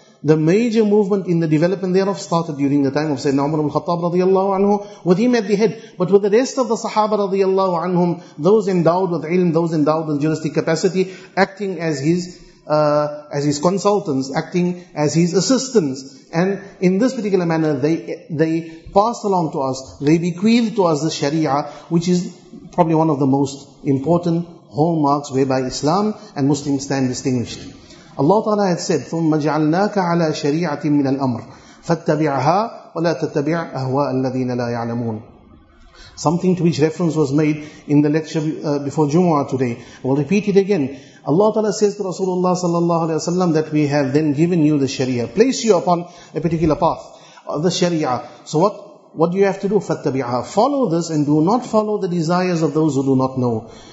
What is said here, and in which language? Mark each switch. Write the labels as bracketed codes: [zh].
[en] the major movement in the development thereof started during the time of Sayyidina Umar ibn al-Khattab radiallahu anhu, with him at the head, but with the rest of the Sahaba radiallahu anhum, those endowed with ilm, those endowed with juristic capacity, acting as his consultants, acting as his assistants. And in this particular manner, they passed along to us, they bequeathed to us the Sharia, which is probably one of the most important hallmarks whereby Islam and Muslims stand distinguished. Allah Ta'ala had said, [ar] ثُمَّ جَعَلْنَاكَ عَلَى شَرِيعَةٍ مِّنَ الْأَمْرِ فَاتَّبِعْهَا وَلَا تَتَّبِعْ أَهْوَاءَ الَّذِينَ لَا يَعْلَمُونَ. [en] Something to which reference was made in the lecture before Jumu'ah today. I will repeat it again. Allah Ta'ala says to Rasulullah sallallahu alayhi wa sallam that we have then given you the Sharia. Place you upon a particular path, the Sharia. So what do you have to do? [ar] فَاتَّبِعْهَا. [en] Follow this and do not follow the desires of those who do not know.